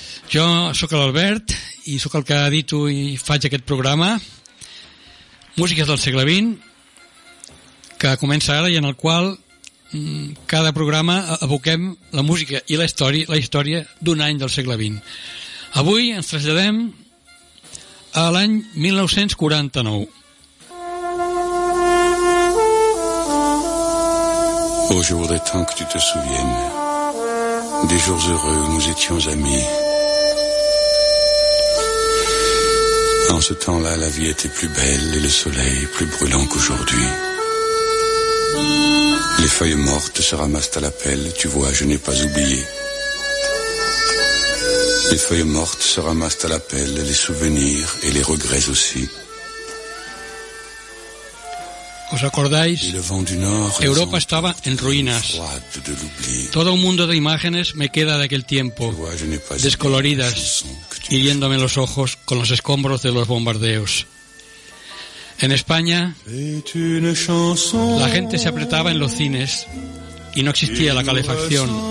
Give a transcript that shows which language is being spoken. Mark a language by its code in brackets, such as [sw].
[ca] Jo sóc l'Albert i sóc el que edito i faig aquest programa Músiques del segle XX, que comença ara i en el qual cada programa aboquem la música i la història d'un any del segle XX. Avui ens traslladem a l'any 1949. [fr] Oh, je voudrais tant que tu te souviennes des jours heureux où nous étions amis. En ce temps-là, la vie était plus belle et le soleil plus brûlant qu'aujourd'hui. Les feuilles mortes se ramassent à la pelle, tu vois, je n'ai pas oublié. Les feuilles mortes se ramassent à la pelle, les souvenirs et les regrets aussi. [es] ¿Os acordáis? Europa estaba en ruinas. Todo un mundo de imágenes me queda de aquel tiempo, descoloridas, hiriéndome los ojos con los escombros de los bombardeos. En España, la gente se apretaba en los cines y no existía la calefacción.